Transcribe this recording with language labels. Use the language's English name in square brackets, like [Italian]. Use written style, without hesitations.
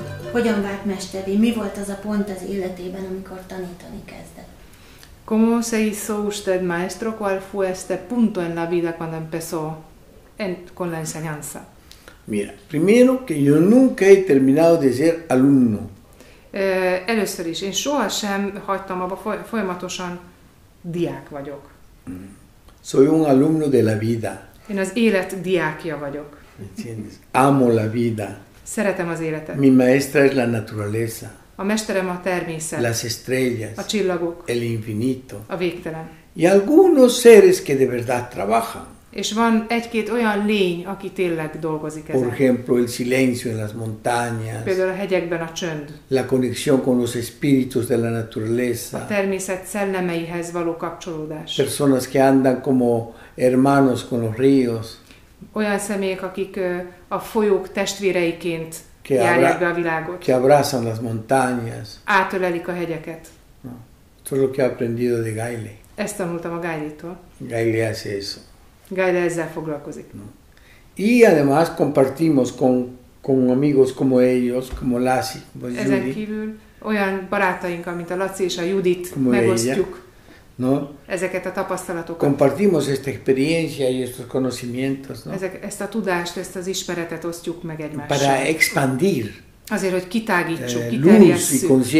[Hungarian] Hogyan vált mesteré? Mi volt az a pont az életében, amikor tanítani kezdett? [Spanish] Como se hizo usted maestro? ¿Cuál fue este punto en la vida cuando empezó con la enseñanza? Mira, primero que yo nunca he terminado de ser alumno. [Hungarian] Először is, én sohasem hagytam abba, folyamatosan diák vagyok. [Spanish] Soy un alumno de la vida. [Hungarian] Én az élet diákja vagyok. [Spanish] ¿Entiendes? Amo la vida. [Hungarian] Szeretem az életet. [Spanish] Mi maestra es la naturaleza. [Hungarian] A mesterem a természet. [Spanish] Las estrellas. [Hungarian] A csillagok. [Spanish] El infinito. [Hungarian] A végtelen. [Spanish] Y algunos seres que de verdad trabajan. [Hungarian] És van egy-két olyan lény, aki tényleg dolgozik ezen. [Spanish] Por ejemplo, el silencio en las montañas. [Hungarian] Például a hegyekben a csönd. [Spanish] La conexión con los espíritus de la naturaleza. [Hungarian] A természet szellemeihez való kapcsolódás. [Spanish] Personas que andan como hermanos con los ríos. [Hungarian] Olyan személyek, akik a folyók testvéreiként járják be a világot. [Spanish] Que abrazan las montañas. [Hungarian] Átölelik a hegyeket. [Spanish] Todo lo que he aprendido de Gaile. [Hungarian] Ezt tanultam a Gaile-tól. [Spanish] Gaile hace eso. [Hungarian] Gaile ezzel foglalkozik. [Spanish] No. Y además compartimos con amigos como ellos, como Lassi, como Judit. [Hungarian] Ezen kívül olyan barátaink, mint a Laci és a Judit como megosztjuk. [Spanish] Ella. No? [Hungarian] Ezeket a tapasztalatokat. [Spanish] Compartimos esta experiencia y estos conocimientos, no? [Hungarian] Ezt a tudást, ezt az ismeretet osztjuk meg egymással. [Spanish] Para expandir. [Hungarian] Azért, hogy kitágítsuk, kiterjesszük.